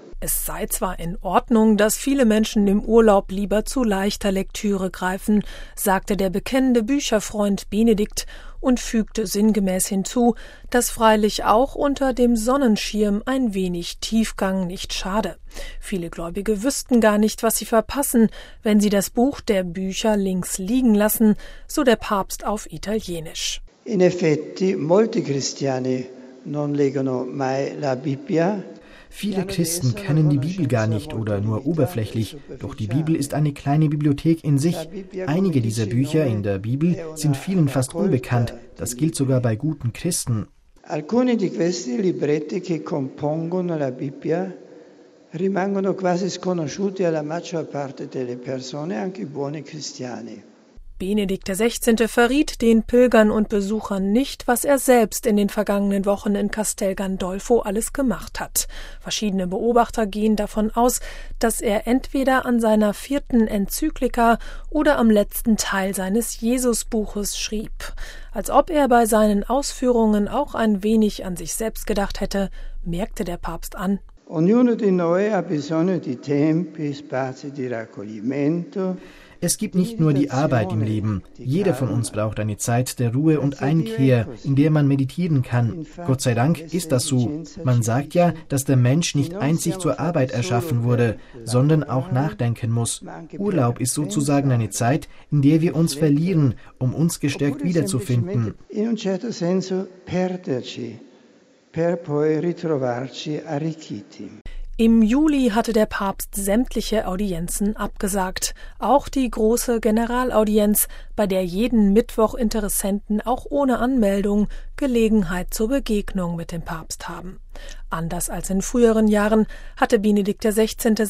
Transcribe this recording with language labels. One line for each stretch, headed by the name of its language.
German: Es sei zwar in Ordnung, dass viele Menschen im Urlaub lieber zu leichter Lektüre greifen, sagte der bekennende Bücherfreund Benedikt und fügte sinngemäß hinzu, dass freilich auch unter dem Sonnenschirm ein wenig Tiefgang nicht schade. Viele Gläubige wüssten gar nicht, was sie verpassen, wenn sie das Buch der Bücher links liegen lassen, so der Papst auf Italienisch.
Italian: In effetti, molti cristiani non leggono mai la Bibbia.
German: Viele Christen kennen die Bibel gar nicht oder nur oberflächlich, doch die Bibel ist eine kleine Bibliothek in sich. Einige dieser Bücher in der Bibel sind vielen fast unbekannt, das gilt sogar bei guten Christen.
Italian: Alcuni di questi libretti che compongono la Bibbia rimangono quasi sconosciuti alla maggior parte delle persone, anche buoni cristiani.
German: Benedikt XVI. Verriet den Pilgern und Besuchern nicht, was er selbst in den vergangenen Wochen in Castel Gandolfo alles gemacht hat. Verschiedene Beobachter gehen davon aus, dass er entweder an seiner vierten Enzyklika oder am letzten Teil seines Jesusbuches schrieb. Als ob er bei seinen Ausführungen auch ein wenig an sich selbst gedacht hätte, merkte der Papst an.
Italian: Ognuno di noi ha bisogno di tempi, spazi di raccoglimento.
German: Es gibt nicht nur die Arbeit im Leben. Jeder von uns braucht eine Zeit der Ruhe und Einkehr, in der man meditieren kann. Gott sei Dank ist das so. Man sagt ja, dass der Mensch nicht einzig zur Arbeit erschaffen wurde, sondern auch nachdenken muss. Urlaub ist sozusagen eine Zeit, in der wir uns verlieren, um uns gestärkt wiederzufinden.
Italian: In un certo senso perderci, per poi ritrovarci arricchiti.
German: Im Juli hatte der Papst sämtliche Audienzen abgesagt, auch die große Generalaudienz, bei der jeden Mittwoch Interessenten auch ohne Anmeldung Gelegenheit zur Begegnung mit dem Papst haben. Anders als in früheren Jahren hatte Benedikt XVI.